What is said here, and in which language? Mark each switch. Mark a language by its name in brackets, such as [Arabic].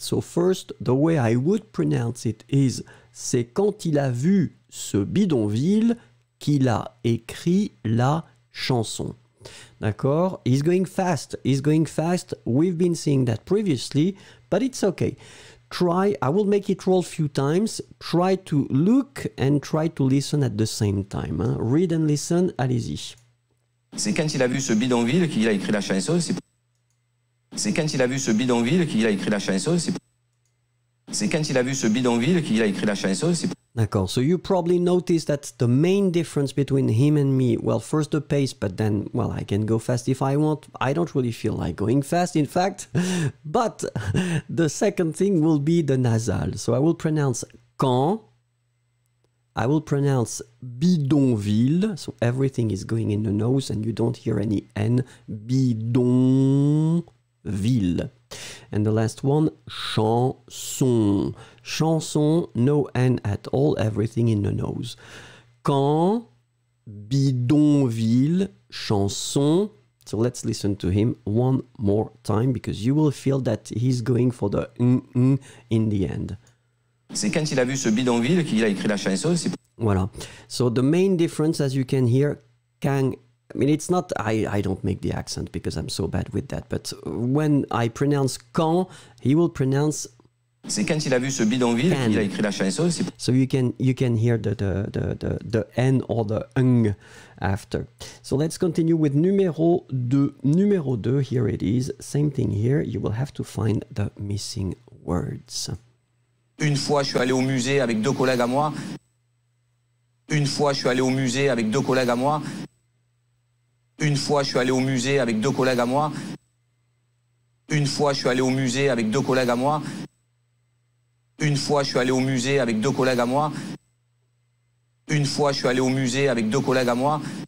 [English] So first, the way I would pronounce it is, [French] c'est quand il a vu ce bidonville qu'il a écrit la chanson. D'accord? [English] He's going fast. He's going fast. We've been seeing that previously, but it's okay. Try, I will make it roll a few times. Try to look and try to listen at the same time. Hein? Read and listen, [French] allez-y. C'est quand il a vu ce bidonville qu'il a écrit la chanson. C'est quand il a vu ce bidonville qu'il a écrit la chanson. C'est quand il a vu ce bidonville qu'il a écrit la chanson. D'accord, [English] so you probably noticed that the main difference between him and me, well, first the pace, but then, well, I can go fast if I want. I don't really feel like going fast, in fact. But the second thing will be the nasal. So I will pronounce quand. I will pronounce bidonville. So everything is going in the nose and you don't hear any N. Bidonville. And the last one, chanson. Chanson, no N at all, everything in the nose. [French] Quand, bidonville, chanson. [English] So let's listen to him one more time because you will feel that he's going for the N in the end. [French] C'est quand il a vu ce bidonville qu'il a écrit la chanson. Voilà. [English] So the main difference, as you can hear, quand. I mean, it's not, I don't make the accent because I'm so bad with that, but when I pronounce quand, he will pronounce. [French] C'est quand il a vu ce bidonville qu'il a écrit la chanson. [English] So you can hear the N or the ng after. So let's continue with numéro 2. Numéro 2, here it is. Same thing here, you will have to find the missing words. [French] Une fois, je suis allé au musée avec deux collègues à moi. Une fois, je suis allé au musée avec deux collègues à moi. Une fois, je suis allé au musée avec deux collègues à moi. Une fois, je suis allé au musée avec deux collègues à moi. Une fois, je suis allé au musée avec deux collègues à moi. Une fois, je suis allé au musée avec deux collègues à moi.